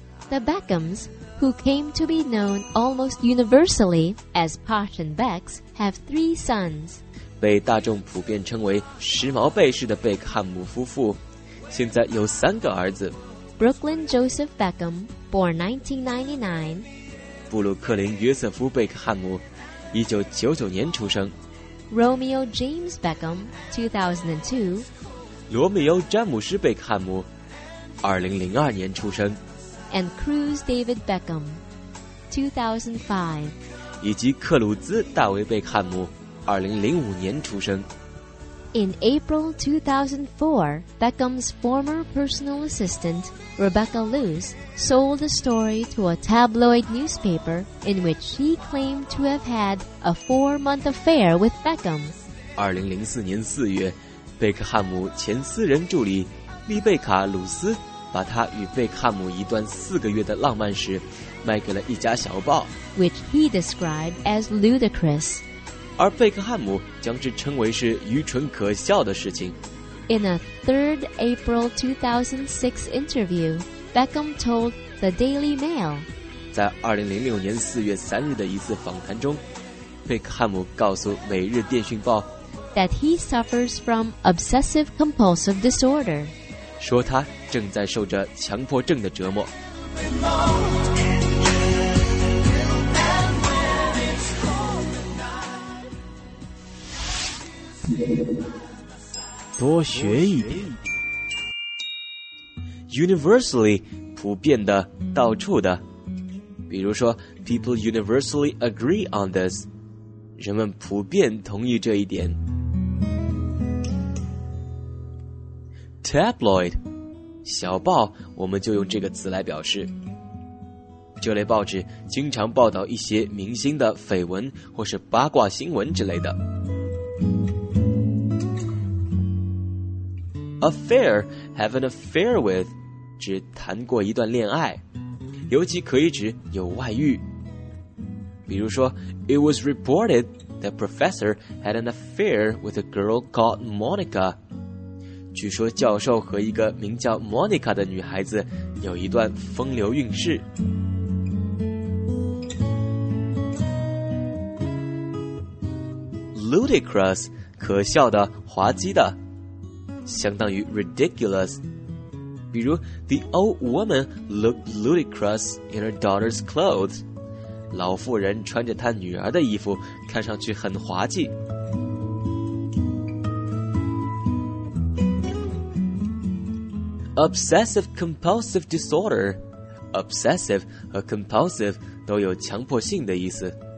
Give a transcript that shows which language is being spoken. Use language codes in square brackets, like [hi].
[en] The Beckhams, who came to be known almost universally as Posh and Becks, have three sons. [zh] 被大众普遍称为时髦贝氏的贝克汉姆夫妇现在有三个儿子。 [en] Brooklyn Joseph Beckham, born 1999. [zh] 布鲁克林约瑟夫贝克汉姆1999年出生。 [en] Romeo James Beckham, 2002. [zh] 罗密欧·詹姆斯·贝克汉姆2002年出生。 [en] And Cruz David Beckham, 2005. [zh] 以及克鲁兹·大卫·贝克汉姆2005年出生。 [en] In April 2004, Beckham's former personal assistant, Rebecca Luce, sold a story to a tabloid newspaper in which she claimed to have had a four-month affair with Beckham. [zh] 2004年4月，贝克汉姆前私人助理丽贝卡·鲁斯把他与贝克汉姆一段四个月的浪漫史卖给了一家小报， [en] which he described as ludicrous. [zh] 而贝克汉姆将之称为是愚蠢可笑的事情。 [en] In a 3rd April 2006 interview, Beckham told the Daily Mail. [zh] 在2006年4月3日的一次访谈中，贝克汉姆告诉《每日电讯报》 [en] that he suffers from obsessive compulsive disorder. [zh] 说他正在受着强迫症的折磨。多学一点。 Universally, 普遍的，到处的。比如说 [en] People universally agree on this. [zh] 人们普遍同意这一点。 Tabloid, 小报，我们就用这个词来表示。这类报纸经常报道一些明星的绯闻或是八卦新闻之类的。 Affair, have an affair with, 指谈过一段恋爱，尤其可以指有外遇。比如说 [en] It was reported that professor had an affair with a girl called Monica. [zh] 据说教授和一个名叫 Monica 的女孩子有一段风流韵事。 Ludicrous, 可笑的，滑稽的，相当于 ridiculous. 比如 [en] The old woman looked ludicrous in her daughter's clothes. [zh] 老妇人穿着她女儿的衣服看上去很滑稽。 Obsessive compulsive disorder. Obsessive 和 compulsive 都有强迫性的意思。